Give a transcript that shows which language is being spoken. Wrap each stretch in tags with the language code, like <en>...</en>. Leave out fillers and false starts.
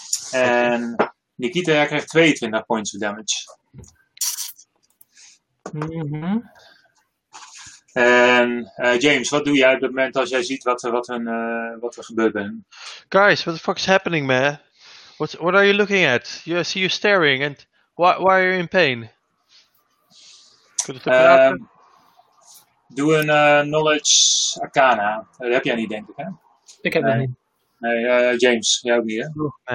<nl>En Nikita, jij krijgt 22</nl> <en>points of damage. Mm-hmm.</en> <nl>En James, wat doe jij op het moment als jij ziet wat er gebeurd is?</nl> <en>Guys, what the fuck is happening, man? What are you looking at? You, I see you staring, and why are you in pain?</en> <nl>Doe een knowledge arcana. Dat heb jij niet, denk ik, hè? Ik heb dat niet. Nee, James, jij ook niet, hè?</nl>